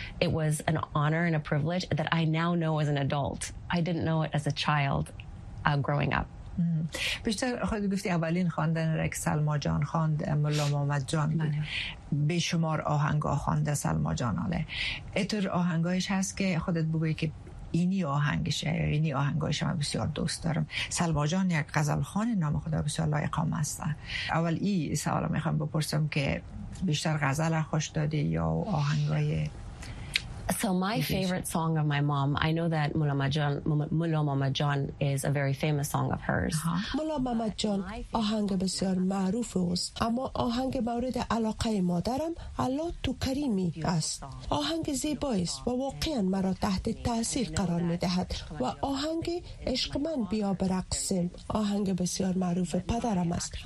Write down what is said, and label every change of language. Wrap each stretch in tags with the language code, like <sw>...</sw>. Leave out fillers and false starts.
<en>It was an honor and a privilege that I now know as an adult. I didn't know it as a child growing up.</en> <fa>بیشتر خود گفتی اولین خواندن را که سلما جان خواند ملا محمد جان بود. بیشمار آهنگا خوانده سلما جان. آله اینطور آهنگایش هست که خودت بگوی که اینی آهنگشه یا اینی آهنگایش من بسیار دوست دارم. سلما جان یک غزل خوان نام خدا بسیار لایق هم هست. اول این سوال میخوام بپرسم که بیشتر غزل خوش دادی یا آهنگای؟</fa> <en>So my favorite song of my mom, I know that Mulla Mama John is a very famous song of hers.</en> <fa>Mulla Mama John آهنگ بسیار معروف است. اما آهنگ مورد علاقه مادرم الله تو کریمی است. آهنگ زیبایی است و واقعا مرا تحت تاثیر قرار می‌دهد. و آهنگ عشق من بیا برقصم آهنگ بسیار معروف پدرم است.</fa>